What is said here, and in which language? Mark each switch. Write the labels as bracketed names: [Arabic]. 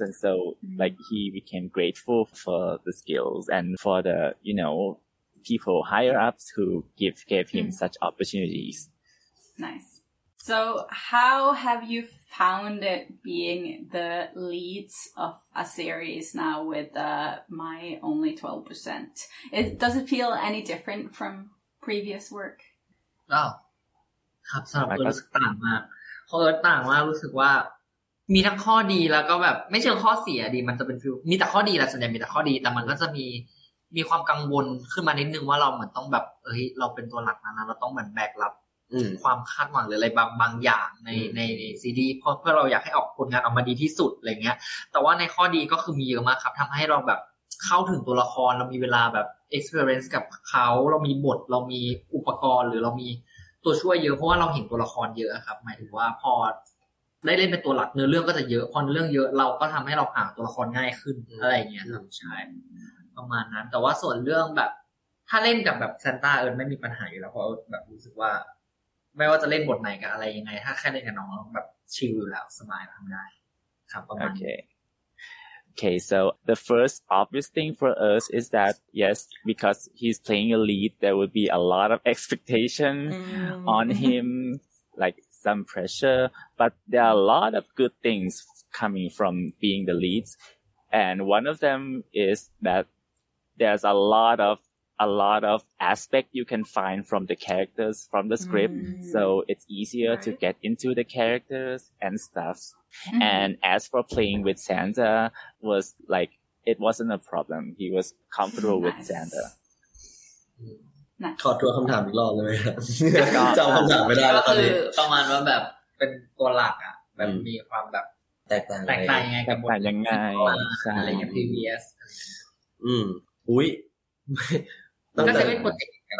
[English] And so like he became grateful for the skills and for the, you know,people higher ups who gave him such opportunities. Nice. So how have you found it being the leads of a series now with My Only 12%? Does it feel any different from previous work? Wow. [Thai] ครับสำหรับเอิร์ธรู้สึกต่างมากเพราะเอิร์ธต่างมากรู้สึกว่ามีทั้งข้อดีแล้วก็แบบไม่เชิงข้อเสียดีมันจะเป็นฟิลมีแต่ข้อดีแหละส่วนใหญ่มีแต่ข้อดีแต่มันก็จะ มีความกังวลขึ้นมานิดนึงว่าเราเหมือนต้องแบบเฮ้ยเราเป็นตัวหลักนะเราต้องเหมือนแบกรับความคาดหวังหรืออะไรบางอย่างในซีดีเพื่อเราอยากให้ออกผลงานออกมาดีที่สุดอะไรเงี้ยแต่ว่าในข้อดีก็คือมีเยอะมากครับทำให้เราแบบเข้าถึงตัวละครเรามีเวลาแบบ experience กับเขาเรามีบทเรามีอุปกรณ์หรือเรามีตัวช่วยเยอะเพราะว่าเราเห็นตัวละครเยอะครับหมายถึงว่าพอได้เล่นเป็นตัวหลักเนื้อเรื่องก็จะเยอะพอเรื่องเยอะเราก็ทำให้เราหาตัวละครง่ายขึ้นอะไรเงี้ย ใช่ประมาณนั้นแต่ว่าส่วนเรื่องแบบถ้าเล่นกับแบบซานต้าเอิร์ธไม่มีปัญหาอยู่แล้วเพราะแบบรู้สึกว่าไม่ว่าจะเล่นบทไหนกับอะไรยังไงถ้าแค่เล่นกับน้องแบบชิลอยู่แล้วสบายทำได้ครับประมาณนี้ [English] Okay, so the first obvious thing for us is that yes, because he's playing a lead, there would be a lot of expectation on him, like some pressure. But there are a lot of good things coming from being the leads, and one of them is thatThere's a lot of aspect you can find from the characters from the script, so it's easier to get into the characters and stuff. And as for playing with Santa, was like it wasn't a problem. He was comfortable with Santa. [Thai] ขอตัวคำถามอีกรอบเลยครับจำคำถามไม่ได้แล้วตอนนี้ประมาณว่าแบบเป็นตัวหลักอ่ะแบบมีความแบบ แตกต่าง ยังไงกับ แตกต่างยังไง อะไรอย างเงี้ย previous อุ้ย ก็เซเว่นโปรเจกต์